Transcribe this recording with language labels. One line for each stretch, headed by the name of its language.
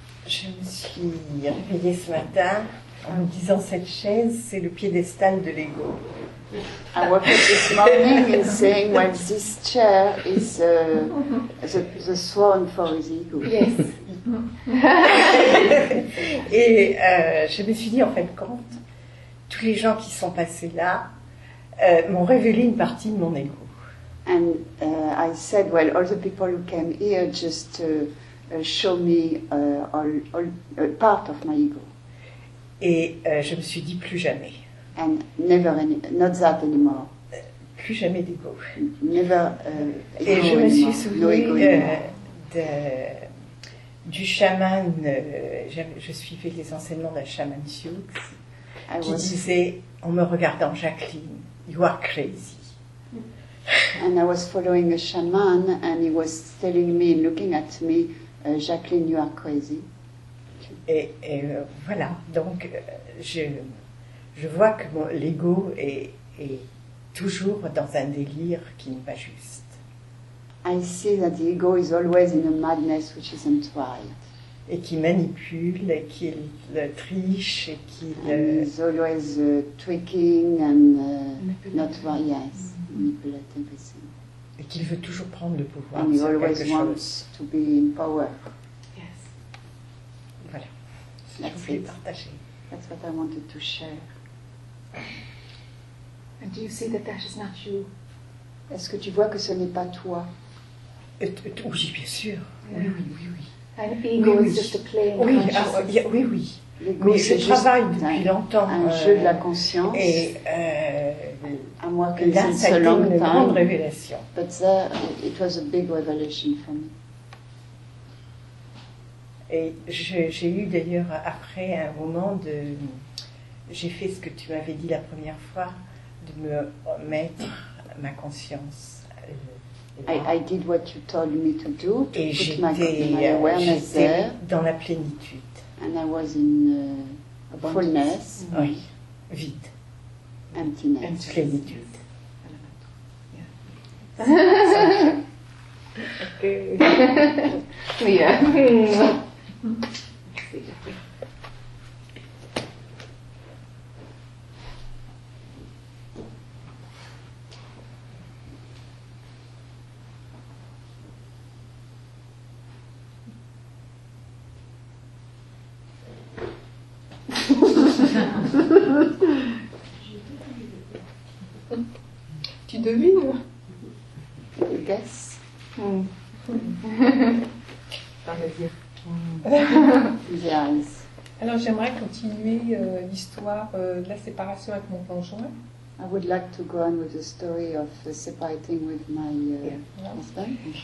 French: Je me suis réveillée ce matin en me disant cette chaise, c'est le piédestal de l'ego.
English: I woke up this morning and saying, well, this chair is the throne for his ego. Yes.
French: Et je me suis dit, en fin de compte, tous les gens qui sont passés là m'ont révélé une partie de mon ego.
English: And I said, well, all the people who came here just... show me all part of my ego.
French: Et je me suis dit plus jamais.
English: And never not that anymore.
French: Plus jamais d'ego.
English: Never.
French: Et je me suis souvenue du chaman. Je suivais les enseignements d'un chaman Sioux qui disait en me regardant,
English: Jacqueline, you are crazy. And I was following a shaman and he was telling me, looking at me. Jacqueline, you are crazy.
French: Et voilà, donc je vois que l'ego est toujours dans un délire qui n'est pas juste.
English: I see that the ego is always in a madness which isn't right.
French: Et qui manipule, et qui le triche, et qui le...
English: is always tweaking and not right, yes, manipulate everything.
French: Et qu'il veut toujours prendre le pouvoir.
English: And he always wants to be in power. Yes.
French: Voilà. C'est ce que je voulais partager.
English: That's what I wanted to share. And do you see that that is not you?
French: Est-ce que tu vois que ce n'est pas toi? Oui, bien sûr. Yeah. Oui.
English: And ego is just a play.
French: Oui. Mais je travaille depuis longtemps. Un jeu de la conscience. Et là, ça a été une grande révélation.
English: But there, it was a big revelation for me.
French: Et j'ai eu d'ailleurs après un moment de... J'ai fait ce que tu m'avais dit la première fois, de me mettre ma conscience.
English: I did what you told me to do.
French: Et j'étais dans la plénitude.
English: And I was in fullness.
French: Mm-hmm. Oui, vide.
English: Emptiness.
French: Plénitude.
English: Okay. Yeah.
French: Tu devines?
English: Guess.
French: Alors j'aimerais continuer l'histoire de la séparation avec mon conjoint.
English: I would like to go on with the story of separating with my husband.